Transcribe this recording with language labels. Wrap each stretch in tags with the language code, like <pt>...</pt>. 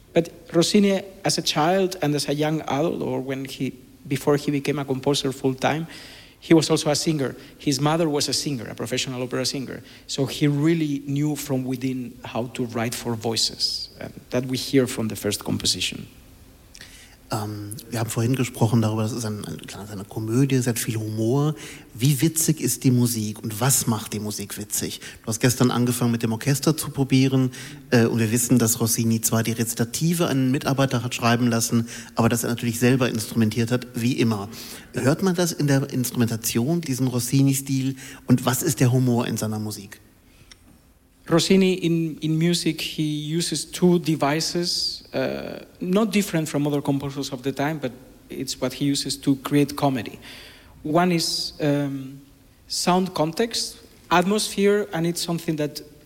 <en>But Rossini, as a child and as a young adult, or before he became a composer full-time, he was also a singer. His mother was a singer, a professional opera singer. So he really knew from within how to write for voices. And that we hear from the first composition.</en> <de>Wir haben vorhin gesprochen darüber, das ist eine Komödie, es hat viel Humor. Wie witzig ist die Musik und was macht die Musik witzig? Du hast gestern angefangen, mit dem Orchester zu probieren und wir wissen, dass Rossini zwar die Rezitative einen Mitarbeiter hat schreiben lassen, aber dass er natürlich selber instrumentiert hat, wie immer. Hört man das in der Instrumentation, diesen Rossini-Stil, und was ist der Humor in seiner Musik?</de> <en>Rossini, in music, he uses two devices, not different from other composers of the time, but it's what he uses to create comedy. One is sound context, atmosphere, and it's something that</en>